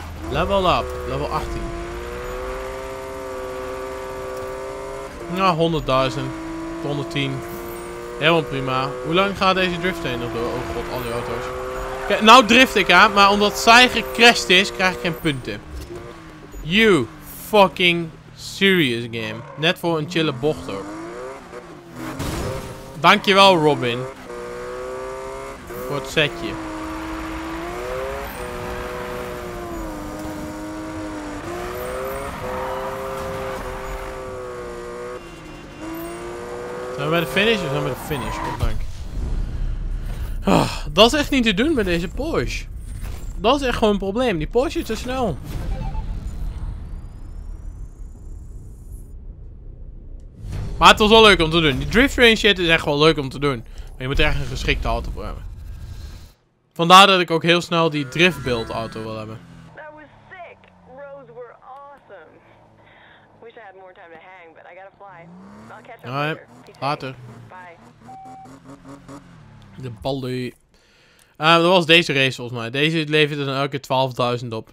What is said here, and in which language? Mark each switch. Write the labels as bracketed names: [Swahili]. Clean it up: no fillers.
[English] Level up, level 18. [Dutch] Nou, 100.000, 110. Helemaal prima. Hoe lang gaat deze drift heen nog door? Oh god, al die auto's. Kijk, nou drift ik aan, maar omdat zij gecrashed is, krijg ik geen punten. [English] You fucking serious game. [Dutch] Net voor een chille bocht ook. Dankjewel Robin. Voor het setje. Zijn we bij de finish of zijn we bij de finish? God dank. Oh, dat is echt niet te doen met deze Porsche. Dat is echt gewoon een probleem. Die Porsche is te snel. Maar het was wel leuk om te doen. Die drift train shit is echt wel leuk om te doen. Maar je moet er echt een geschikte auto voor hebben. Vandaar dat ik ook heel snel die drift build auto wil hebben. [English] Dat was sick. Roads were awesome. Wish I had more time to hang, but I gotta fly. I'll catch up later. Later. Bye. [Dutch] De balde. Dat was deze race volgens mij. Deze levert dan elke keer 12.000 op.